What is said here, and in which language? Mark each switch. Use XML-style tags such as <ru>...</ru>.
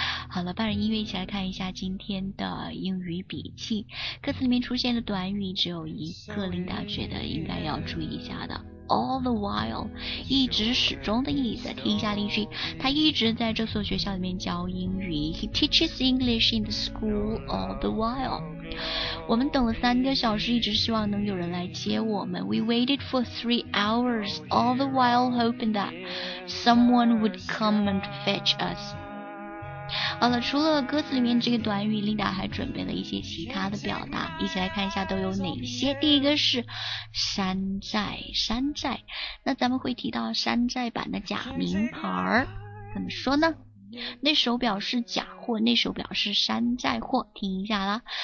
<zh>好了，伴着音乐一起来看一下今天的英语笔记。歌词里面出现的短语只有一个，琳达觉得应该要注意一下的。</zh> <en>All the while，</en> <zh>一直始终的意思。听一下例句，他一直在这所学校里面教英语。</zh> <en>He teaches English in the school all the while。</en> <zh>我们等了三个小时，一直希望能有人来接我们。</zh> <en>We waited for 3 hours all the while hoping that someone would come and fetch us。</en> <zh>好了，除了歌词里面这个短语， Linda 还准备了一些其他的表达，一起来看一下都有哪些。第一个是山寨，山寨，那咱们会提到山寨版的假名牌，怎么说呢？那手表是假货，那手表是山寨货，听一下啦。</zh>